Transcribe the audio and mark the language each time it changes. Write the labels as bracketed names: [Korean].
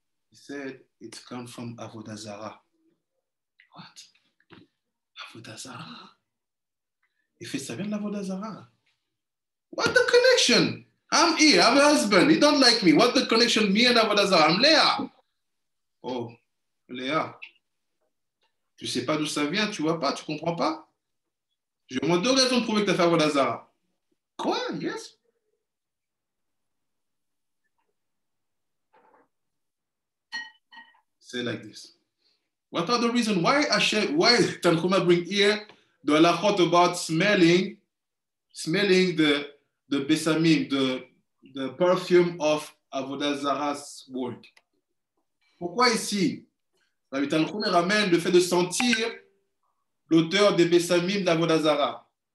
[English] He said, it come from Avodah Zarah. What? Avodah Zarah? [French] Il fait ça vient de l'Avodah Zarah. [English] What the connection? I'm here, I'm a husband, he don't like me. What the connection, me and Avodah Zarah? I'm Leah. Oh, Leah. [French] Tu sais pas d'où ça vient, tu vois pas, tu comprends pas? J'ai au moins deux raisons de prouver que tu as fait Avodah Zarah. Quoi? Yes? [English] Say like this. What are the reasons? Why Hashem, why Tanchuma bring here the halachot about smelling the besamim, the perfume of Avodah Zarah's work? [French] Pourquoi ici? Rabbi Tanchuma ramène le fait de sentir l'auteur des Bessamim d'Avodah Zarah.